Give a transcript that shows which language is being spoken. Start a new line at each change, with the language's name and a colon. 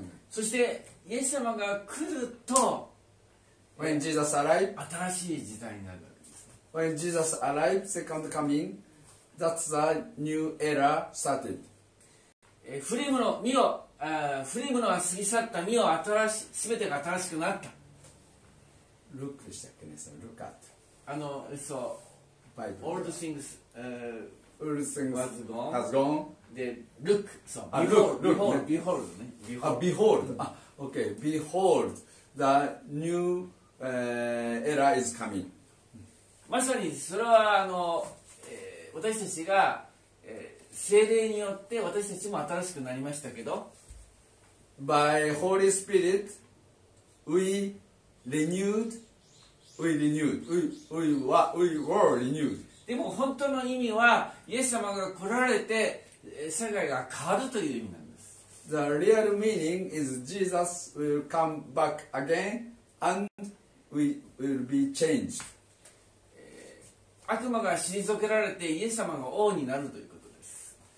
Japanese: そして、イエス様が来ると、
English: When Jesus arrived,
Japanese: 新しい時代になるわけです。
English: When Jesus arrived, second coming, that's the new era started.
Japanese: フリムのは過ぎ去った、見よ、新し、全てが新しくなった。ルックでしたっけね、そのルカット。そう、バイブル。
English: All the things, All the things was gone. Has gone.
Japanese: で、ルック、そう、behold ね。
English: behold。 あ、OK。behold the new、era is coming。
Japanese: まさにそれは私たちが、聖霊によって私たちも新しくなりましたけど
English: By Holy Spirit, we renewed We renewed. We were renewed.
Japanese: でも本当の意味はイエス様が来られて世界が変わるという意味なんです。
English: The real meaning is Jesus will come back again and we will be changed.
Japanese: 悪魔が退けられてイエス様が王になるということです。